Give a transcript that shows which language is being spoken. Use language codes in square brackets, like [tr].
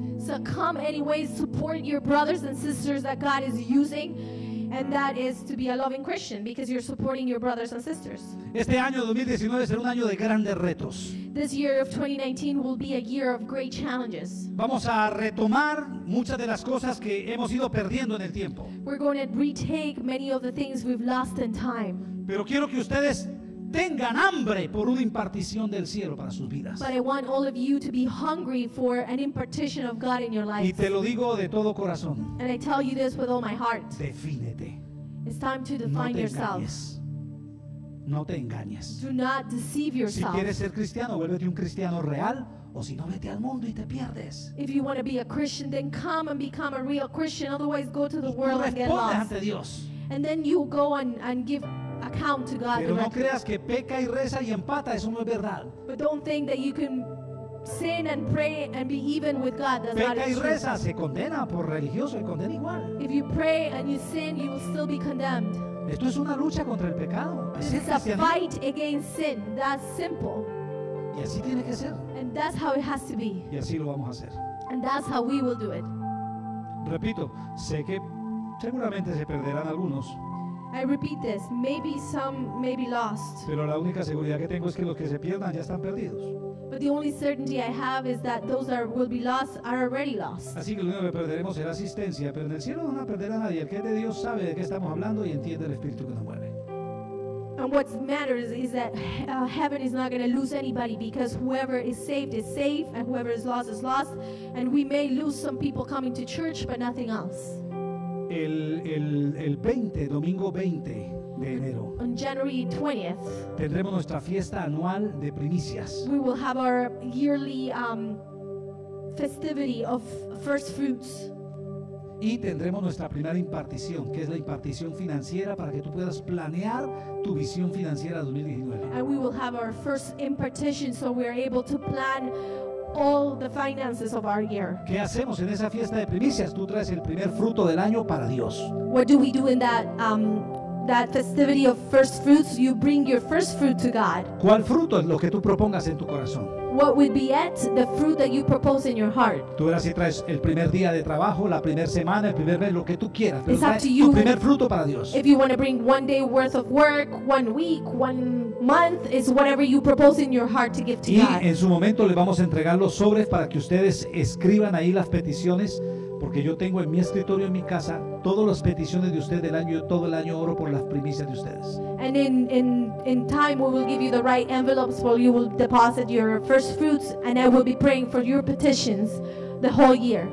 [en] So come anyway, support your brothers and sisters that God is using. And that is to be a loving Christian because you're supporting your brothers and sisters. [es] Este año 2019 será un año de grandes retos. [en] This year of 2019 will be a year of great challenges. [es] Vamos a retomar muchas de las cosas que hemos ido perdiendo en el tiempo. [en] We're going to retake many of the things we've lost in time. [es] Pero quiero que ustedes tengan hambre por una impartición del cielo para sus vidas. [en] But I want all of you to be hungry for an impartition of God in your life. [es] Y te lo digo de todo corazón. [en] And I tell you this with all my heart. [es] Defínete. [en] It's time to define yourself. [es] No te engañes. [en] Do not deceive yourself. [es] Si quieres ser cristiano, vuélvete un cristiano real, o si no, vete al mundo y te pierdes. [en] If you want to be a Christian, then come and become a real Christian. Otherwise, go to the world and get lost. [es] Ante Dios. [en] And then you go and give account to God. [es] Pero no creas que peca y reza y empata, eso no es verdad. [en] But don't think that you can sin and pray and be even with God. That's [es] peca y reza, se condena por religioso, se condena igual. [en] If you pray and you sin, you will still be condemned. [es] Esto es una lucha contra el pecado. [en] It's a fight against sin. That's simple. [es] Y así tiene que ser. [en] And that's how it has to be. [es] Y así lo vamos a hacer. [en] And that's how we will do it. [es] Repito, sé que seguramente se perderán algunos. [en] I repeat this, maybe some may be lost. [es] Pero la única seguridad que tengo es que los que se pierdan ya están perdidos. [en] But the only certainty I have is that those that will be lost are already lost. [es] Así que lo único que perderemos será asistencia, pero en el cielo no van a perder a nadie. El que es de Dios sabe de qué estamos hablando y entiende el espíritu que nos mueve. [en] And what matters is that heaven is not going to lose anybody because whoever is saved is safe and whoever is lost is lost, and we may lose some people coming to church but nothing else. [es] El 20, domingo 20, de enero. [en] On January 20th, [es] tendremos nuestra fiesta anual de primicias. [en] We will have our yearly festivity of first fruits. [es] Y tendremos nuestra primera impartición, que es la impartición financiera para que tú puedas planear tu visión financiera 2019. [en] And we will have our first impartition so we are able to plan all the finances of our year. [es] ¿Qué hacemos en esa fiesta de primicias? Tú traes el primer fruto del año para Dios. [en] What do we do in that that festivity of first fruits? You bring your first fruit to God. [es] ¿Cuál fruto es lo que tú propongas en tu corazón? [en] What would be it, the fruit that you propose in your heart? [es] Tú verás si traes el primer día de trabajo, la primera semana, el primer mes, lo que tú quieras. [en] It's up to you. [es] Tu primer fruto para Dios. [en] If you want to bring one day worth of work, one week, one month, is whatever you propose in your heart to give to God. [es] Y en su momento le vamos a entregar los sobres para que ustedes escriban ahí las peticiones, porque yo tengo en mi escritorio en mi casa todas las peticiones de ustedes del año. Yo todo el año oro por las primicias de ustedes. [en] And in time we will give you the right envelopes where you will deposit your first fruits, and I will be praying for your petitions the whole year.